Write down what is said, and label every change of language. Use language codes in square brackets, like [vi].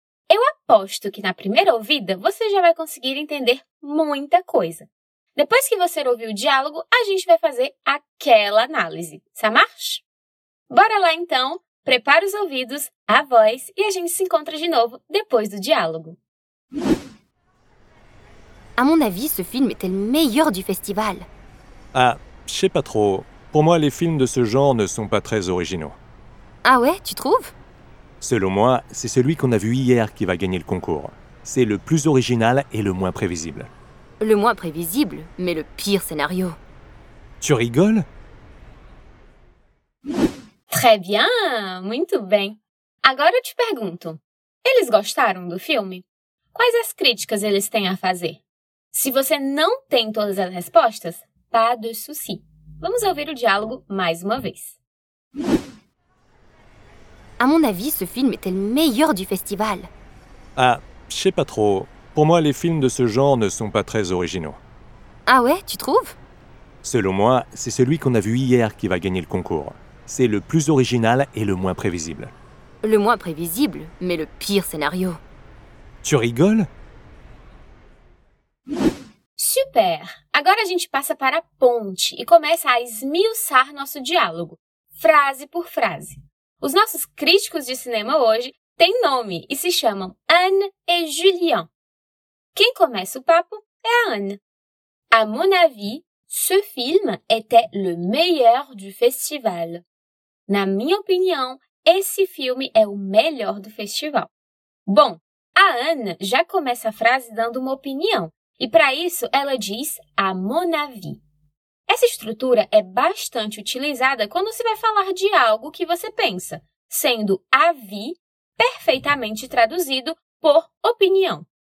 [pt] Eu aposto que, na primeira ouvida, você já vai conseguir entender muita coisa. Depois que você ouvir o diálogo, a gente vai fazer aquela análise. [fr] Ça marche? [pt] Bora lá, então. Prepara os ouvidos, a voz, e a gente se encontra de novo depois do diálogo. [fr] À mon avis, ce film était le meilleur du festival. Ah, je sais pas trop. Pour moi, les films de ce genre ne sont pas très originaux. Ah ouais, tu trouves? Selon moi, c'est celui qu'on a vu hier qui va gagner le concours. C'est le plus original et le moins prévisible. Le moins prévisible, mais le pire scénario. Tu rigoles? Très bien, [pt] muito bem. Agora eu te pergunto, eles gostaram do filme? Quais as críticas eles têm a fazer? Se você não tem todas as respostas, [fr] pas de souci. [pt] Vamos ouvir o diálogo mais uma vez. [fr] À mon avis, ce film était le meilleur du festival. Ah, je sais pas trop. Pour moi, les films de ce genre ne sont pas très originaux. Ah ouais, tu trouves? Selon moi, c'est celui qu'on a vu hier qui va gagner le concours. C'est le plus original et le moins prévisible. Le moins prévisible, mais le pire scénario. Tu rigoles? Super! [pt] Agora a gente passa para a ponte e começa a esmiuçar nosso diálogo, frase por frase. Os nossos críticos de cinema hoje têm nome e se chamam Anne e Julien. Quem começa o papo é a Anne. [fr] À mon avis, ce film était le meilleur du festival. [pt] Na minha opinião, esse filme é o melhor do festival. Bom, a Anne já começa a frase dando uma opinião e, para isso, ela diz [fr] à mon avis. [pt] Essa estrutura é bastante utilizada quando se vai falar de algo que você pensa, sendo avis perfeitamente traduzido por opinião.